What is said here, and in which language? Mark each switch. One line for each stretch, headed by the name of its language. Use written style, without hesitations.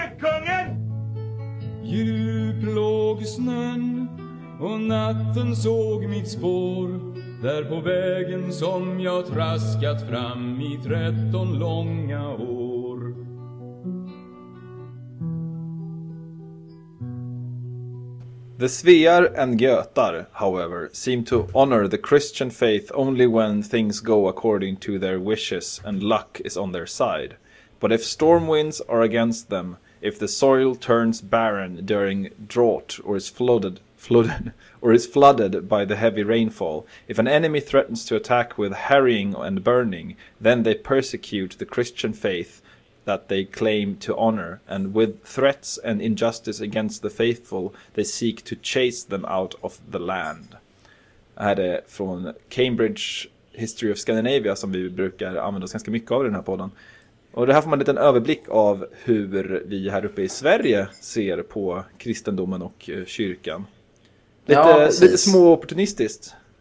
Swedish: Kungen, djup låg snön och natten såg mitt spår där på vägen som jag traskat fram i 13 långa år.
English: The Svear and Götar, however, seem to honor the Christian faith only when things go according to their wishes and luck is on their side. But if storm winds are against them, if the soil turns barren during drought or is flooded by the heavy rainfall, if an enemy threatens to attack with harrying and burning, then they persecute the Christian faith that they claim to honor, and with threats and injustice against the faithful, they seek to chase them out of the land.
Swedish: Det här är från Cambridge History of Scandinavia, som vi brukar använda oss ganska mycket av i den här podden. Och det här får man en liten överblick av hur vi här uppe i Sverige ser på kristendomen och kyrkan. Lite små opportunistiskt.